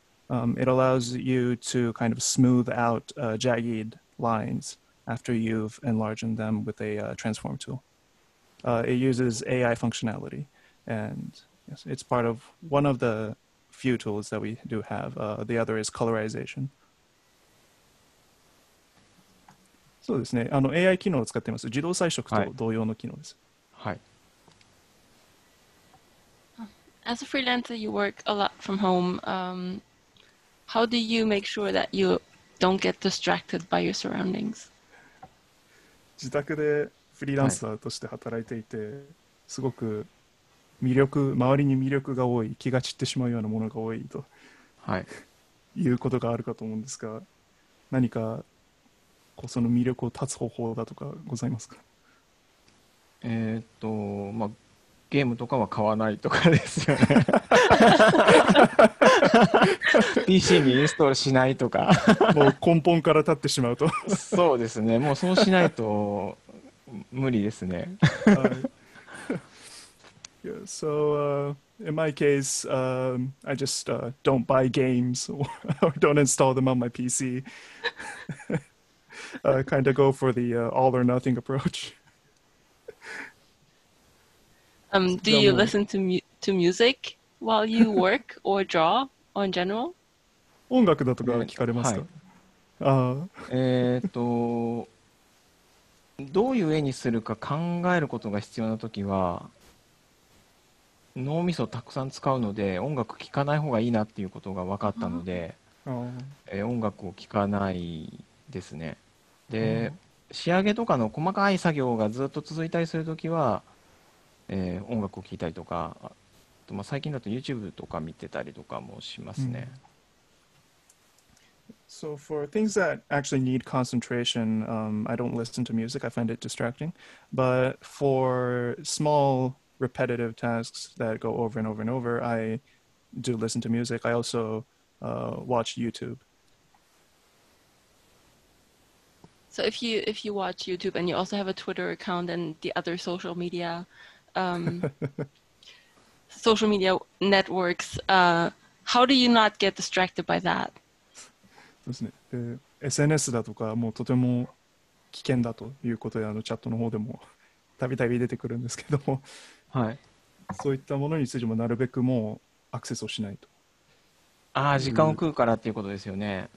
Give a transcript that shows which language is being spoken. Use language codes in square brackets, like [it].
[en] It allows you to kind of smooth out jagged lines after you've enlarged them with a transform tool. It uses AI functionality, and yes, it's part of one of the few tools that we do have. The other is colorization. [ja] そうですね、あの AI 機能を使っています。自動彩色と同様の機能です。はい。 [en] As a freelancer, you work a lot from home. How do you make sure that you don't get distracted by your surroundings? [ja] 自宅でフリーランサーとして働いていて、すごく魅力、周りに魅力が多い、気が散ってしまうようなものが多いと、はい、いうことがあるかと思うんですが、何か。その魅力を立つ方法だとかございますか？まあ、ゲームとかは買わないとかですよね。 PC にインストールしないとか。もう根本から立ってしまうと。そうですね。もうそうしないと無理ですね。 [en] Yeah, so, in my case, I just don't buy games or don't install them on my PC. kind of go for the all or nothing approach. Do you listen to music while you work or draw in general? [ja] 音楽だとか聞かれますか？はい。どういう絵にするか考えることが必要なときは、脳みそをたくさん使うので、音楽聞かない方がいいなっていうことが分かったので、音楽を聞かないですね。で、仕上げとかの細かい作業がずっと続いたりするときは、音楽を聴いたりとか、あと、まあ、最近だと YouTube とか見てたりとかもしますね。 [en] So for things that actually need concentration, I don't listen to music. I find it distracting. But for small repetitive tasks that go over and over and over, I do listen to music. I also watch YouTube. So if you watch YouTube and you also have a Twitter account and the other social media, social media networks, how do you not get distracted by that? [ja] そうですね。で、SNS だとかもうとても危険だということで、あのチャットの方でもたびたび出てくるんですけども、はい。そういったものについてもなるべくもうアクセスをしないと。ああ、時間を食うからっていうことですよね。